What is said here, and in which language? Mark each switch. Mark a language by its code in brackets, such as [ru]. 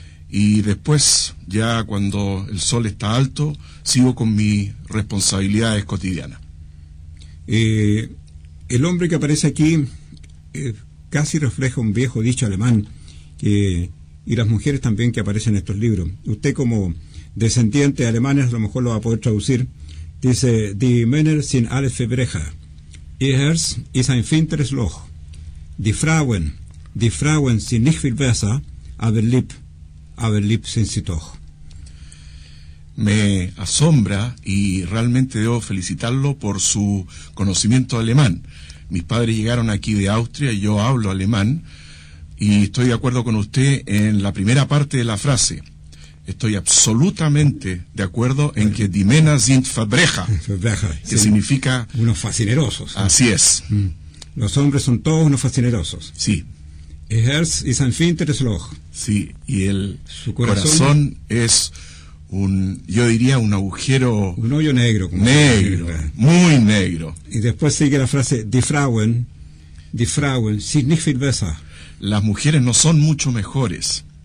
[es] Y después, ya cuando el sol está alto, sigo con mis responsabilidades cotidianas. El hombre que aparece aquí casi refleja un viejo dicho alemán, y las mujeres también que aparecen en estos libros. Usted, como descendiente de alemanes, a lo mejor lo va a poder traducir. [de] Dice: Die Männer sind alle verbrecher. Ihr Herz ist ein finsteres Loch. Die Frauen sind nicht viel besser, aber lieb sind sie doch. [es] Me asombra y realmente debo felicitarlo por su conocimiento alemán. Mis padres llegaron aquí de Austria y yo hablo alemán. Y estoy de acuerdo con usted en la primera parte de la frase. Estoy absolutamente de acuerdo en que [de] Die Männer sind Verbrecher, [es] que sí, significa... unos facinerosos. Así es. Los hombres son todos unos facinerosos. Sí. [de] Ihr Herz ist ein finsteres Loch. [es] Sí, y el su corazón es un, yo diría, un agujero... un hoyo negro. Como negro, muy negro. Y después sigue la frase, [de] die Frauen sind nicht viel besser. [es] Las mujeres no son mucho mejores.